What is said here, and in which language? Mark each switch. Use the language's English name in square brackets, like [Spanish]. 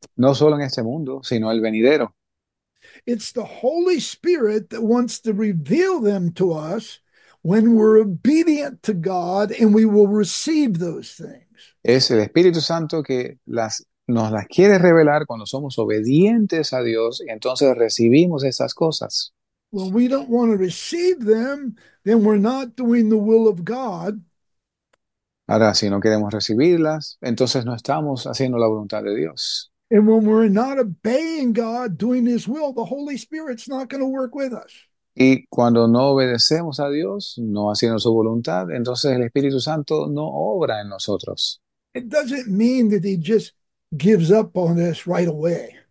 [Spanish] No solo en este mundo, sino el venidero. [English] It's the Holy Spirit that wants to reveal them to us when we're obedient to God and we will receive those things. [Spanish] Es el Espíritu Santo que nos las quiere revelar cuando somos obedientes a Dios, y entonces recibimos esas cosas. [English] When we don't want to receive them, then we're not doing the will of God. [Spanish] Ahora, si no queremos recibirlas, entonces no estamos haciendo la voluntad de Dios. [English] And when we're not obeying God, doing His will, the Holy Spirit's not going to work with us. [Spanish] Y cuando no obedecemos a Dios, no haciendo su voluntad, entonces el Espíritu Santo no obra en nosotros. [English] It doesn't mean that He just gives up on us right away.